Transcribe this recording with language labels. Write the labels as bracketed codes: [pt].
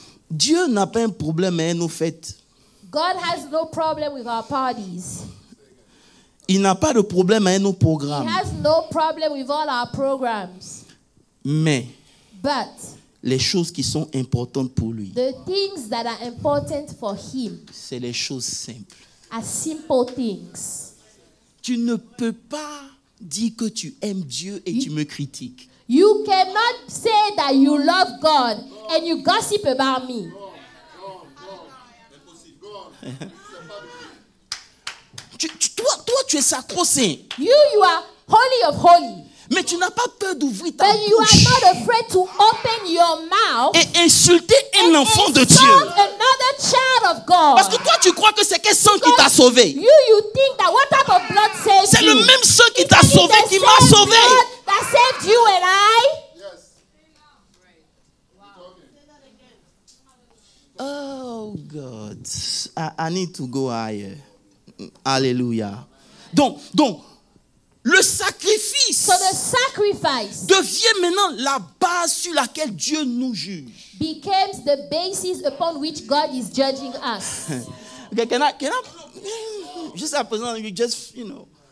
[fr] Dieu n'a pas un problème avec nos fêtes. [en] God has no problem with our parties. [fr] Il n'a pas de problème avec nos programmes. [en] He has no problem with all our programs. [fr] Mais [en] but [fr] les choses qui sont importantes pour lui, [en] the things that are important for him, [fr] c'est les choses simples. [en] Are simple things. [fr] Tu ne peux pas dire que tu aimes Dieu et tu me critiques. [en] You cannot say that you love God and you gossip about me. [fr] Toi, tu es sacro-saint. [en] You are holy of holy. [fr] Mais tu n'as pas peur d'ouvrir ta bouche. [en] But you are not afraid to open your mouth [fr] et insulter un enfant de Dieu. [en] Another child of God. [fr] Parce que toi, tu crois que c'est quel sang qui t'a sauvé. [en] You think that what type of blood saved you? [fr] C'est le même sang qui t'a sauvé qui m'a sauvé. [en] God that saved you and I. Yes. Oh God, I need to go higher. Alléluia. [fr] Donc, le sacrifice, [en] so the sacrifice [fr] devient maintenant la base sur laquelle Dieu nous juge. [en] Became the basis upon which God is judging us. Okay, can I just at present, you just, you know.